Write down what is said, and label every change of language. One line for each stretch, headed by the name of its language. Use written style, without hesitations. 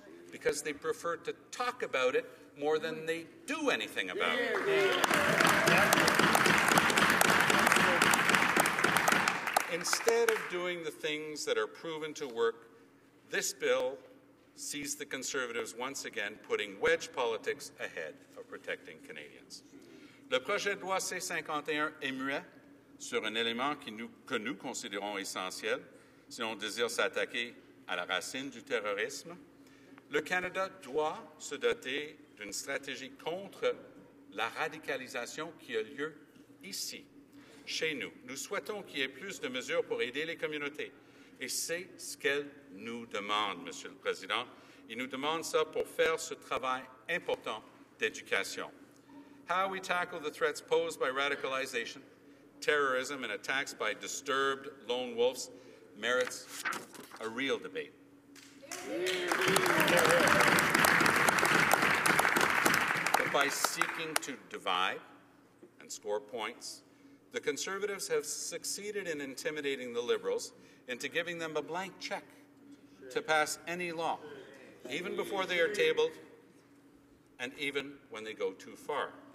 English: Because they prefer to talk about it more than they do anything about it. Instead of doing the things that are proven to work, this bill sees the Conservatives once again putting wedge politics ahead of protecting Canadians.
French: Le projet de loi C-51 est muet sur un élément que nous considérons essentiel si on désire s'attaquer à la racine du terrorisme. Le Canada doit se doter d'une stratégie contre la radicalisation qui a lieu ici, chez nous. Nous souhaitons qu'il y ait plus de mesures pour aider les communautés. Et c'est ce qu'elles nous demandent, Monsieur le Président. Ils nous demandent ça pour faire ce travail important d'éducation.
English: How we tackle the threats posed by radicalization, terrorism, and attacks by disturbed lone wolves merits a real debate. But by seeking to divide and score points, the Conservatives have succeeded in intimidating the Liberals into giving them a blank check to pass any law, even before they are tabled and even when they go too far.